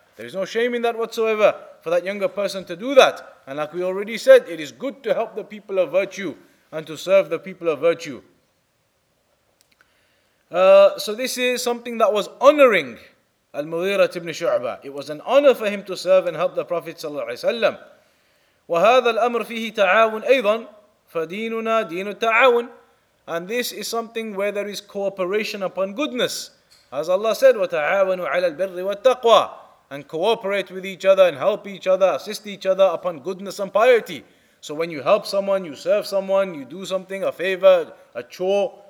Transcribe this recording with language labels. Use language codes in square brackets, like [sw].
[en] There is no shame in that whatsoever for that younger person to do that. And like we already said, it is good to help the people of virtue and to serve the people of virtue. So this is something that was honoring Al-Mughirah ibn Shu'bah. It was an honor for him to serve and help the Prophet sallallahu alaihi wasallam. [ar] وهذا الأمر فيه تعاون أيضا فديننا دين التعاون. [en] And this is something where there is cooperation upon goodness. As Allah said, [ar] وتعاونوا على البر والتقوى. [en] And cooperate with each other and help each other, assist each other upon goodness and piety. So when you help someone, you serve someone, you do something, a favor, a chore,